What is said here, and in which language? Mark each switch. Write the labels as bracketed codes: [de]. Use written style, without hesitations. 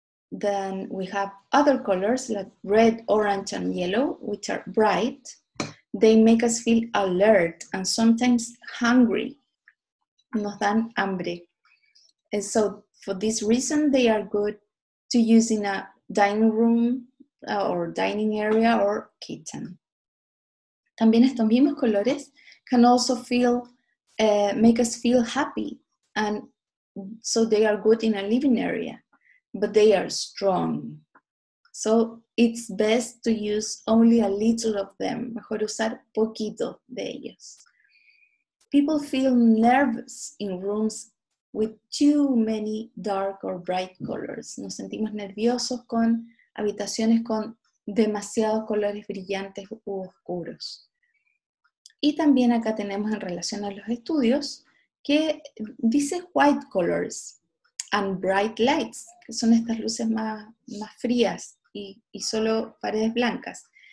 [en] Then we have other colors like red, orange, and yellow, which are bright. They make us feel alert and sometimes hungry. [es] Nos dan hambre. [en] And so for this reason, they are good to use in a dining room or dining area or kitchen. [es] También estos mismos colores [en] can also feel make us feel happy. And so they are good in a living area. But they are strong. So it's best to use only a little of them. [es] Mejor usar poquito de ellos. [en] People feel nervous in rooms with too many dark or bright colors. [es] Nos sentimos nerviosos con habitaciones con demasiados colores brillantes u oscuros. Y también acá tenemos en relación a los estudios que dice [en] white colors. And bright lights, [es] que son estas luces más frías y solo paredes blancas.